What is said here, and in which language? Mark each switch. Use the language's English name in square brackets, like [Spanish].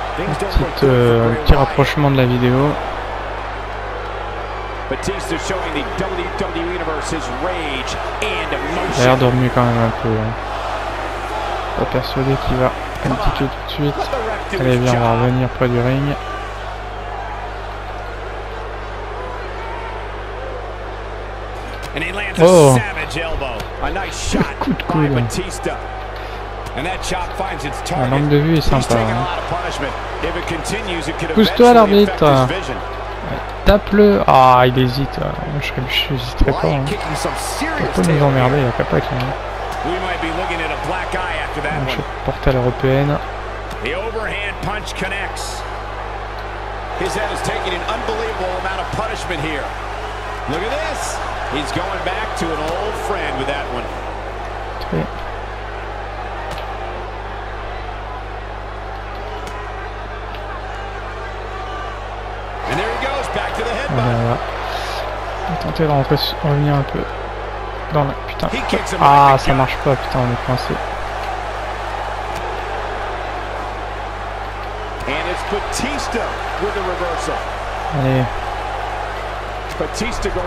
[French] C'est la petite, petit rapprochement de la vidéo. [English] Batista showing the WWE Universe his rage and emotion. [French] Il a l'air dormi quand même un peu. Pas persuadé qu'il va compliquer tout de suite. Allez, viens, on va revenir près du ring. Oh, [English] Edge elbow. A nice shot by Batista. And that chop finds its target. [French] Un angle de vue est sympa. Hein. Pousse-toi à l'arbitre. Tape-le. Ah, oh, il hésite. Moi, je n'hésiterai pas. Hein. Il faut nous emmerder. Il n'y a pas qu'à faire. Je vais porter à l'européenne. [English] The overhand punch connects. His head is taking an unbelievable amount of punishment here. Look at this. He's going back to an old friend with that one. [French] Très. [English] And there he goes, back to the headbutt. [French] Voilà, voilà. On va tenter de revenir un peu dans la... Putain. Ah, ça marche pas, putain, on est coincé. [English] Batista with the reversal. [French] Allez. [English] Batista going